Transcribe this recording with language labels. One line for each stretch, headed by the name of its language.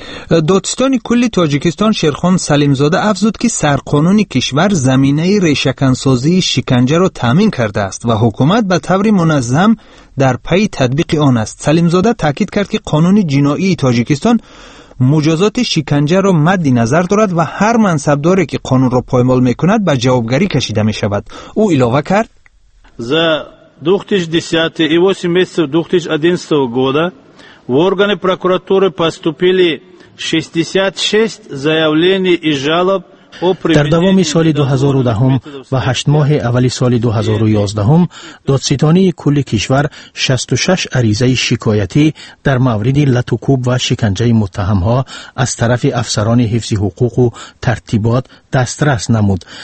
Persian: دادستان کلی تاجیکستان شیرخان سلیمزاده افزود که سرقانون کشور زمینه ریشکنسازی شکنجه را تامین کرده است و حکومت به طور منظم در پی تطبیق آن است. سلیمزاده تاکید کرد که قانون جنایی تاجیکستان مجازات شکنجه را مد نظر دارد و هر منصبداری که قانون را پایمال می کند به جوابگری کشیده می شود. او اضافه کرد:
Russian: ز 2010 و 8 месяца 2011 года в органы прокуратуры поступили 66 заявлений и жалоб.
Persian: در دوام سال 2010 و 8 ماه اول سال 2011 دادستانی کل کشور 66 عریضه شکایتی در مورد لتوکوب و شکنجه متهم ها از طرف افسران حفظ حقوق و ترتیبات دسترس نمود.